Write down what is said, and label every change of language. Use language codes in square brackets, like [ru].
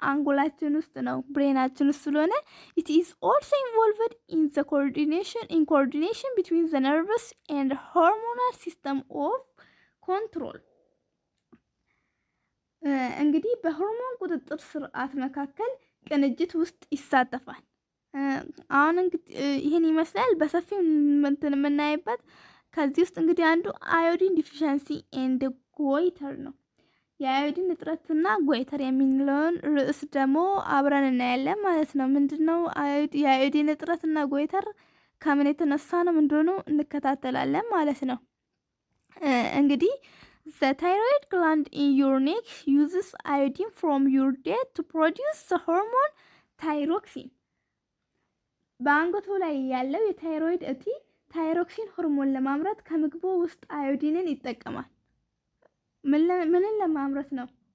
[am] አንጎላችን ውስጥ ነው፣ ብሬናችን ውስጥ ስለሆነ። [en] It is also involved in coordination between the nervous and hormonal system of control. [am] እንግዲህ በሆርሞን ቁጥጥር ስርዓት መካከል ቅንጅት ውስጥ ይሳተፋል። አሁን እንግዲህ ይህን ይመስላል በሰፊው እንትን የምናይበት። ከዚህ ውስጥ እንግዲህ አንዱ አዮዲን ዲፊሽንሲ ኤንድ ጎይተር ነው። የአዮዲን እጥረትና ጎይተር የሚለውን ርዕስ ደግሞ አብረን እናያለን ማለት ነው። ምንድን ነው የአዮዲን እጥረትና ጎይተር? ከምን የተነሳ ነው? ምንድሆኑ እንከታተላለን ማለት ነው። እንግዲህ [en] The thyroid gland in your neck uses iodine from your diet to produce the hormone thyroxine. [am] በአንጎቶ ላይ ያለው የታይሮይድ እጢ ታይሮክሲን ሆርሞን ለማምረት ከምግቦ ውስጥ አዮዲንን ይጠቀማል። ምንን ለማምረት ነው?